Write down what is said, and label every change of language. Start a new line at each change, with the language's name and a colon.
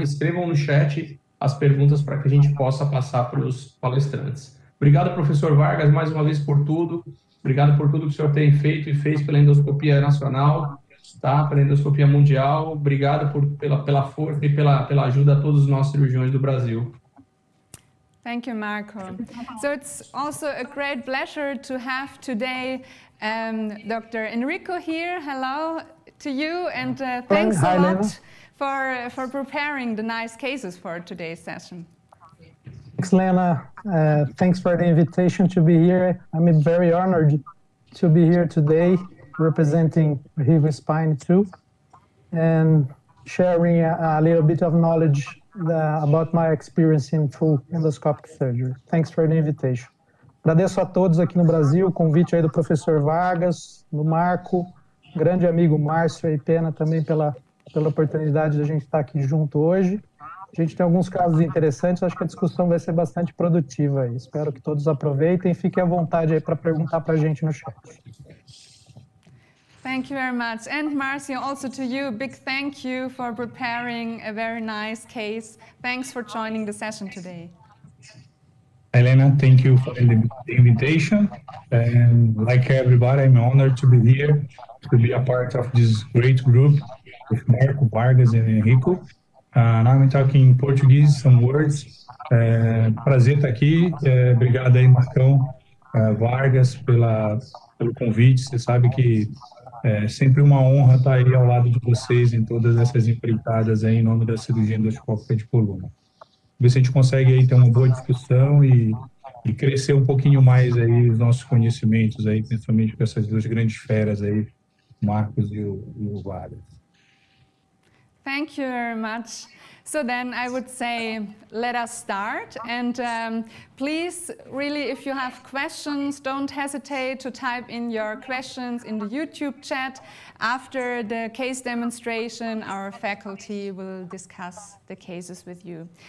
Portuguese: Escrevam no chat as perguntas para que a gente possa passar para os palestrantes. Obrigado, professor Vargas, mais uma vez por tudo. Obrigado por tudo que o senhor tem feito e fez pela endoscopia nacional. Tá, para a endoscopia mundial. Obrigado pela força e pela ajuda a todos os nossos cirurgiões do Brasil.
English: Thank you, Marco. So it's also a great pleasure to have today Dr. Enrico here. Hello to you and thanks a lot for preparing the nice cases for today's session. Thanks, Lena. Thanks for the invitation to be here. I'm very honored to be here today, representing Rivospine too, and sharing a little bit of knowledge about my experience in full endoscopic surgery. Thanks for the invitation.
Portuguese: Agradeço a todos aqui no Brasil, convite aí do professor Vargas, do Marco, grande amigo Márcio e Pena também pela oportunidade de a gente estar aqui junto hoje. A gente tem alguns casos interessantes, acho que a discussão vai ser bastante produtiva aí. Espero que todos aproveitem, fiquem à vontade aí para perguntar para a gente no chat.
English: Thank you very much. And Marcia, also to you, big thank you for preparing a very nice case. Thanks for joining the session today. Elena, thank you for the invitation. And like everybody, I'm honored to be here, to be a part of this great group with Marco Vargas and Enrico. Now I'm talking in Portuguese, some words.
Portuguese: Prazer estar aqui. Obrigado aí, Marcão Vargas, pelo convite. Você sabe que sempre uma honra estar aí ao lado de vocês em todas essas empreitadas aí em nome da cirurgia endoscópica de coluna. Ver se a gente consegue aí ter uma boa discussão e crescer um pouquinho mais aí os nossos conhecimentos aí, principalmente com essas duas grandes feras aí, Marcos e o Vargas.
English: Thank you very much. So then I would say, let us start. And please, really, if you have questions, don't hesitate to type in your questions in the YouTube chat. After the case demonstration, our faculty will discuss the cases with you.